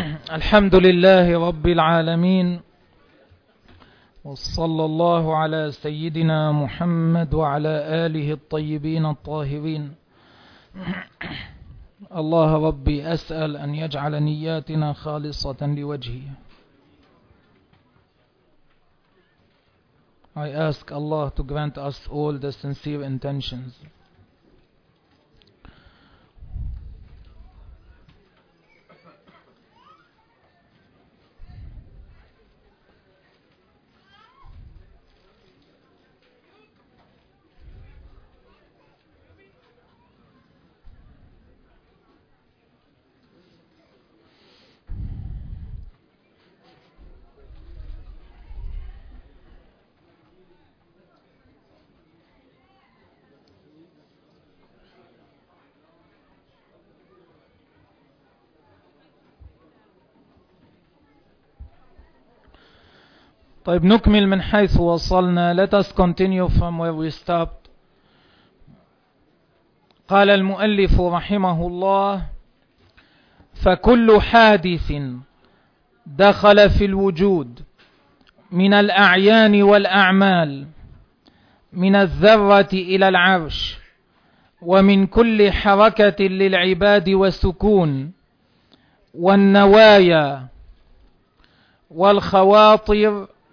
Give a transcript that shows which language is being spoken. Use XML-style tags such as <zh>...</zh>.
<ar>الحمد لله رب العالمين، وصلى الله على سيدنا محمد وعلى آله الطيبين الطاهرين. الله ربي أسأل أن يجعل نياتنا خالصة لوجهه.</ar> <en>I ask Allah to grant us all the sincere intentions.</en> <ar>طيب نكمل من حيث وصلنا.</ar> <en>Let us continue from where we stopped.</en> <ar>قال المؤلف رحمه الله: فكل حادث دخل في الوجود من الأعيان والأعمال، من الذرة إلى العرش، ومن كل حركة للعباد والسكون والنوايا والخواطر،</ar>